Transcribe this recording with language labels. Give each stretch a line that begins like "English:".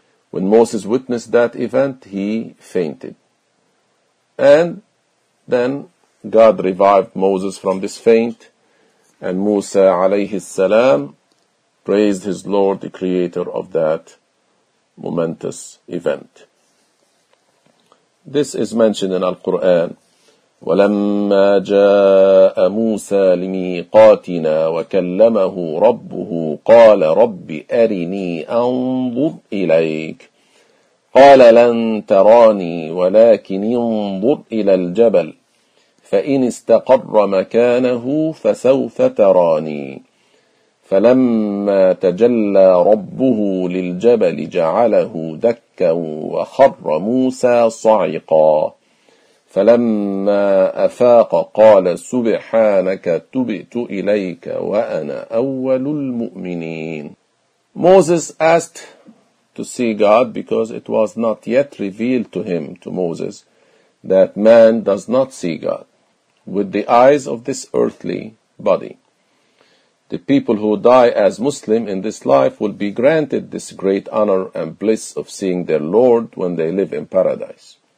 English: When Moses witnessed that event, he fainted. And then God revived Moses from this faint, and Musa alayhi salam praised his Lord, the creator of that momentous event. This is mentioned in Al-Quran.
Arabic: وَلَمَّا جَاءَ مُوسَى لِمِيقَاتِنَا وَكَلَّمَهُ رَبُّهُ قَالَ رَبِّ أَرِنِي أَنْظُرْ إِلَيْكَ قال لن تراني ولكن انظر إلى الجبل فإن استقر مكانه فسوف تراني فلما تجلى ربه للجبل جعله دكا وخر موسى صعقا فلما أفاق قال سبحانك تبت إليك وأنا أول المؤمنين.
English: Moses asked to see God because it was not yet revealed to him, to Moses, that man does not see God with the eyes of this earthly body. The people who die as Muslim in this life will be granted this great honor and bliss of seeing their Lord when they live in paradise.